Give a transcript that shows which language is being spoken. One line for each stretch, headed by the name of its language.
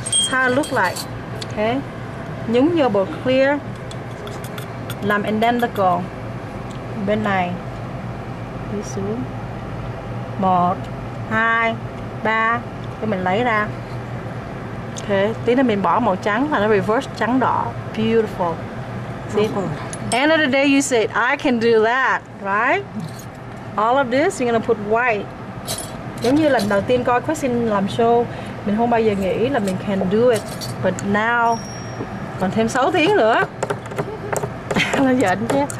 English: How it look like,
Vietnamese: ok. Nhúng vô bột clear, làm identical bên này, đi xuống 1, 2, 3 cho mình lấy ra. Ok, tí nữa mình bỏ màu trắng là nó reverse trắng đỏ.
English: Beautiful. See? End of the day you said I can do that, right? All of this you're gonna put white.
Vietnamese: Giống như lần đầu tiên coi question làm show, mình không bao giờ nghĩ là mình
English: can do it, but now
Vietnamese: còn thêm 6 tiếng nữa. Nó giận chứ.